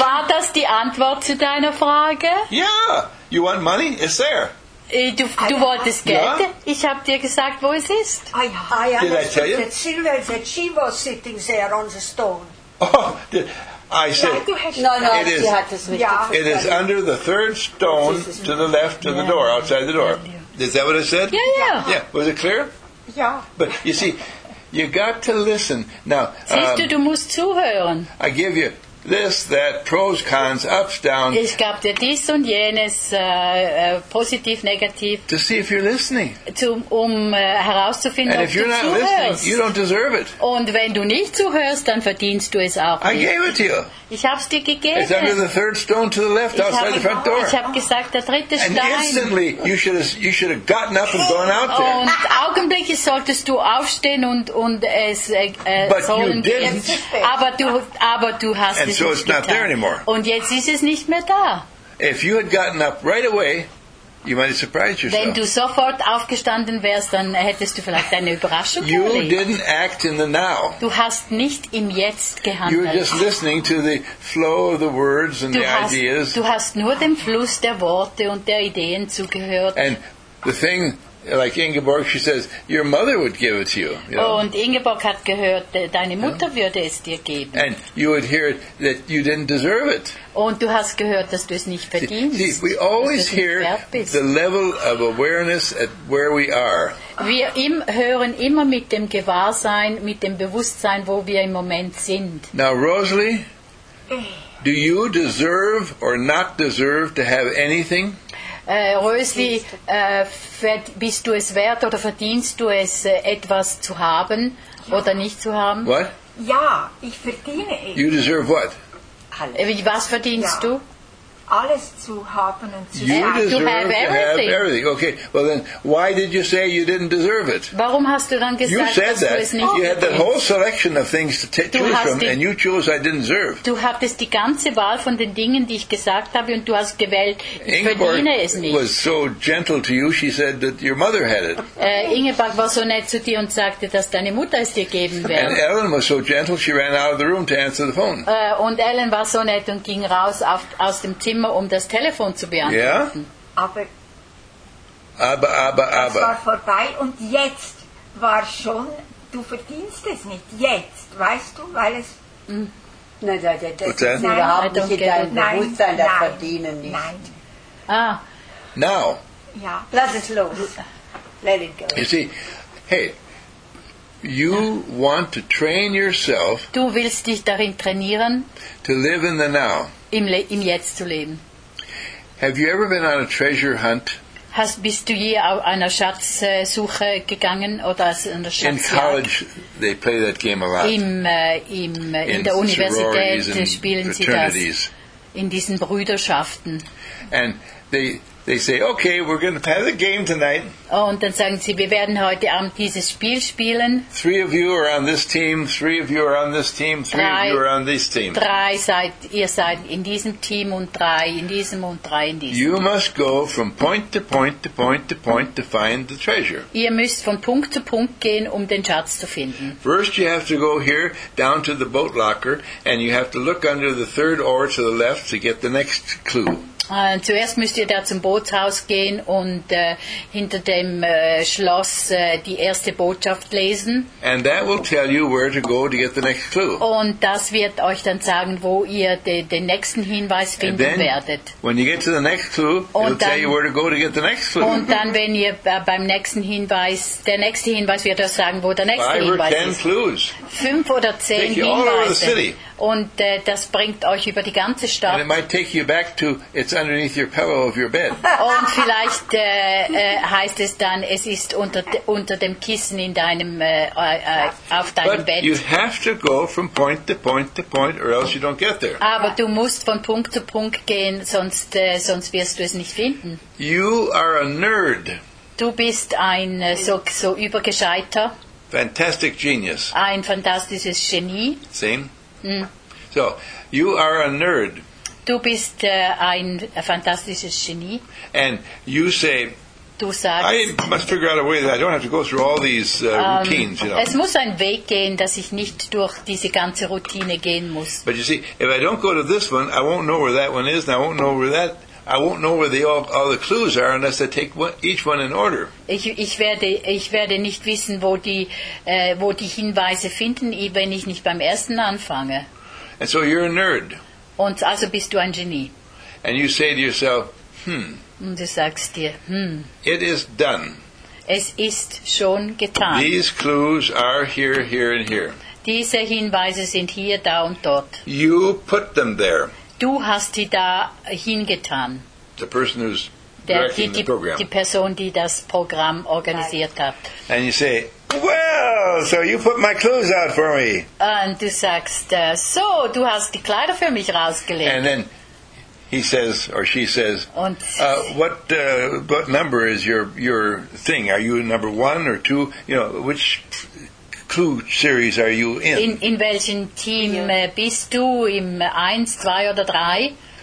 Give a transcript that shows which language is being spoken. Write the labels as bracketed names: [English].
[German] War das die Antwort zu deiner Frage? [English] Yeah. You want money? It's there. [German] Du wolltest Geld? [English] Yeah. [German] Ich habe dir gesagt, wo es ist. [English] Did I tell you? That Silver said she was sitting there on the stone. I said, it is under the third stone to the left of the door, outside the door. Is that what it said? Yeah. Was it clear? Yeah. But you see, you got to listen. Now, [German] siehst du musst zuhören. [English] I give you this, that, pros, cons, ups, downs. [German] Ich gab dir dies und jenes, positiv, negativ. [English] To see if you're listening. [German] Herauszufinden, [English] and [German] ob [English] if you're [German] du [English] not [German] zuhörst. [English] Listening, you don't deserve it. [German] Und wenn du nicht zuhörst, dann verdienst du es auch nicht. [English] I gave it to you. [German] Ich hab's dir gegeben. [English] It's under the third stone to the left, outside the front door. [German] Ich hab gesagt, der dritte Stein. [English] And instantly, you should have gotten up and gone out there. [German] Und augenblicklich solltest du aufstehen und es sollen gehen. [English] But you didn't. [German] Aber du hast [English] and so it's not there anymore. [German] Und jetzt ist es nicht mehr da. [English] If you had gotten up right away, you might have surprised yourself. [German] Wenn du sofort aufgestanden wärst, dann hättest du vielleicht eine Überraschung erlebt. [English] You didn't act in the now. [German] Du hast nicht im Jetzt gehandelt. [English] You were just listening to the flow of the words and the ideas. [German] Du hast nur dem Fluss der Worte und der Ideen zugehört. [English] And the thing, like Ingeborg, she says, your mother would give it to you. [German] Und Ingeborg hat gehört, deine Mutter würde es dir geben. [English] And you would hear that you didn't deserve it. [German] Und du hast gehört, dass du es nicht verdienst. [English] See, we always hear the level of awareness at where we are. [German] Wir hören immer mit dem Gewahrsein, mit dem Bewusstsein, wo wir im Moment sind. [English] Now, Rosalie, do you deserve or not deserve to have anything? [German] Rosli, bist du es wert oder verdienst du es, etwas zu haben oder nicht zu haben? [English] What? [German] Ja, ich verdiene es. [English] You deserve what? [German] Alles. Was verdienst du? Alles zu haben und zu [English] you [German] haben. [English] You deserve to have everything. Okay, well then, why did you say you didn't deserve it? [German] Warum hast du dann gesagt, [English] you said [German] dass [English] that. [German] Du es nicht verdienst? [English] You had the whole selection of things to choose from and you chose I didn't deserve. [German] Du hattest die ganze Wahl von den Dingen, die ich gesagt habe und du hast gewählt, ich Ingeborg verdiene es nicht. [English] Ingeborg was so gentle to you, she said that your mother had it. [German] Ingeborg war so nett zu dir und sagte, dass deine Mutter es dir geben wird. [English] And Ellen was so gentle, she ran out of the room to answer the phone. [German] Und Ellen war so nett und ging raus aus dem Zimmer. Immer um das Telefon zu beantworten. [English] Yeah. [German] Aber. Es war vorbei und jetzt war schon, du verdienst es nicht. Jetzt, weißt du, weil es... Nein, überhaupt nicht in deinem Bewusstsein, das verdienen nicht. Nein. Ah. [English] Now. [German] Ja. Lass es los. [English] Let it go. You see, hey, you want to train yourself. [German] Du willst dich darin trainieren. [English] To live in the now. [German] Im Jetzt zu leben. [English] Have you ever been on a treasure hunt? [German] Bist du je auf einer Schatzsuche gegangen oder an der Schatzjagd? [English] In college they play that game a lot. [German] In der Universität spielen sie das. In diesen Brüderschaften. [English] And they say, okay, we're going to play the game tonight. [German] Und dann sagen sie, wir werden heute Abend dieses Spiel spielen. [English] Three of you are on this team, three of you are on this team, three of you are on this team. [German] Drei seid, ihr seid in diesem Team und drei in diesem und drei in diesem. [English] You must go from point to point to point to point to find the treasure. [German] Ihr müsst von Punkt zu Punkt gehen, um den Schatz zu finden. [English] First you have to go here down to the boat locker and you have to look under the third oar to the left to get the next clue. [German] Zuerst müsst ihr da zum Bootshaus gehen und hinter dem Schloss die erste Botschaft lesen. [English] And that will tell you where to go to get the next clue. [German] Und das wird euch dann sagen, wo ihr den nächsten Hinweis finden werdet. [English] When you get to the next clue, it'll tell you where to go to get the next clue. [German] Und dann, wenn ihr beim nächsten Hinweis, der nächste Hinweis wird euch sagen, wo der nächste Hinweis ist. [English] 5 or 10 clues. 5 or 10 [German] Hinweise. Und das bringt euch über die ganze Stadt. [English] And it might take you back to it's underneath your pillow of your bed. [German] Und vielleicht heißt es dann, es ist unter dem Kissen in deinem auf deinem [English] But [German] Bett. [English] But you have to go from point to point to point, or else you don't get there. [German] Aber du musst von Punkt zu Punkt gehen, sonst wirst du es nicht finden. [English] You are a nerd. [German] Du bist ein so übergescheiter. [English] Fantastic genius. [German] Ein fantastisches Genie. [English] Same. So, you are a nerd. [German] Du bist ein fantastisches Genie. [English] And you say, [German] du sagst, [English] I must figure out a way that I don't have to go through all these routines. You know. [German] Es muss ein Weg gehen, dass ich nicht durch diese ganze Routine gehen muss. [English] But you see, if I don't go to this one, I won't know where that one is, and I won't know where that. I won't know where all the clues are unless I take each one in order. [German] Ich werde nicht wissen, wo die Hinweise finden, wenn ich nicht beim ersten anfange. [English] And so you're a nerd. [German] Und also bist du ein Genie. [English] And you say to yourself, [German] Und du sagst dir, [English] It is done. [German] Es ist schon getan. [English] These clues are here, here and here. [German] Diese Hinweise sind hier, da und dort. [English] You put them there. [German] Du hast die da hingetan. [English] The person who's directing the program. [German] Die Person, die das Programm organisiert hat. [English] And you say, well, so you put my clothes out for me. [German] Und du sagst, so, du hast die Kleider für mich rausgelegt. [English] And then he says, or she says, what number is your thing? Are you number 1 or 2? You know, which clue series are you in? [German] In welchem Team bist du? Im 1, 2 oder 3?